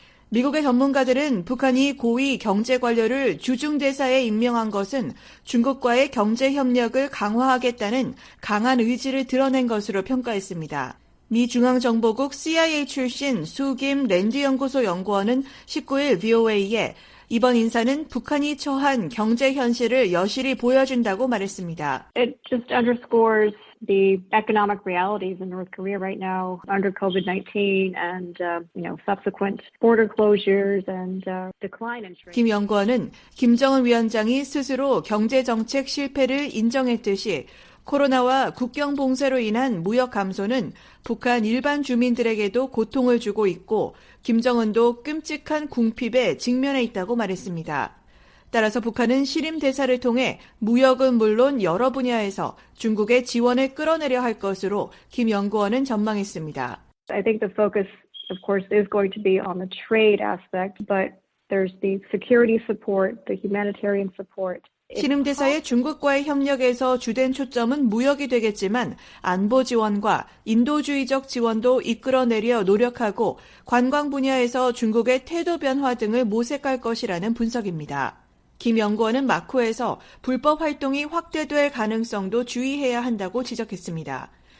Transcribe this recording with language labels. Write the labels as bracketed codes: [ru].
[ko] 미국의 전문가들은 북한이 고위 경제관료를 주중대사에 임명한 것은 중국과의 경제협력을 강화하겠다는 강한 의지를 드러낸 것으로 평가했습니다. 미중앙정보국 CIA 출신 수김 랜드연구소 연구원은 19일 VOA에 이번 인사는 북한이 처한 경제 현실을 여실히 보여준다고 말했습니다. [en] It just underscores the economic realities in North Korea right now under COVID-19 and subsequent border closures and decline in trade. [ko] 김 연구원은 김정은 위원장이 스스로 경제 정책 실패를 인정했듯이 코로나와 국경 봉쇄로 인한 무역 감소는 북한 일반 주민들에게도 고통을 주고 있고 김정은도 끔찍한 궁핍에 직면해 있다고 말했습니다. 따라서 북한은 신임 대사를 통해 무역은 물론 여러 분야에서 중국의 지원을 끌어내려 할 것으로 김 연구원은 전망했습니다. [en] I think the focus of course is going to be on the trade aspect, but there's the security support, the humanitarian support. [ko] 신임 대사의 중국과의 협력에서 주된 초점은 무역이 되겠지만 안보 지원과 인도주의적 지원도 이끌어내려 노력하고 관광 분야에서 중국의 태도 변화 등을 모색할 것이라는 분석입니다. 김 연구원은 마코에서 불법 활동이 확대될 가능성도 주의해야 한다고 지적했습니다.